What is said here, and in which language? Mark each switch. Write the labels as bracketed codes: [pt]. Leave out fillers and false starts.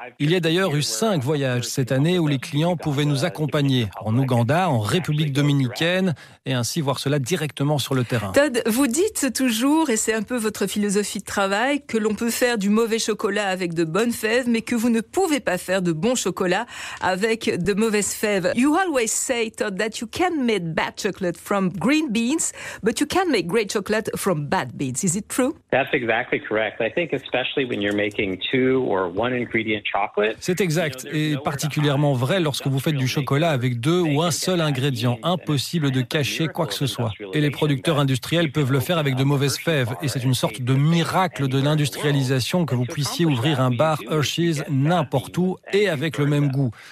[fr] Il y a d'ailleurs eu 5 voyages cette année où les clients pouvaient nous accompagner en Ouganda, en République dominicaine, et ainsi voir cela directement sur le terrain. Todd, vous dites toujours, et c'est un peu votre philosophie de travail, que l'on peut faire du mauvais chocolat avec de bonnes fèves, mais que vous ne pouvez pas faire de bon chocolat avec de mauvaises fèves. [en] You always say, Todd, that you can make bad chocolate from green beans, but you can make great chocolate from bad beans. Is it true? That's exactly correct. I think especially when you're making two or one ingredient chocolate. [fr] C'est exact et particulièrement vrai lorsque vous faites du chocolat avec deux ou un seul ingrédient. Impossible de cacher quoi que ce soit. Et les producteurs industriels peuvent le faire avec de mauvaises fèves. Et c'est une sorte de miracle de l'industrialisation que vous puissiez ouvrir un bar Hershey's n'importe où et avec le même goût.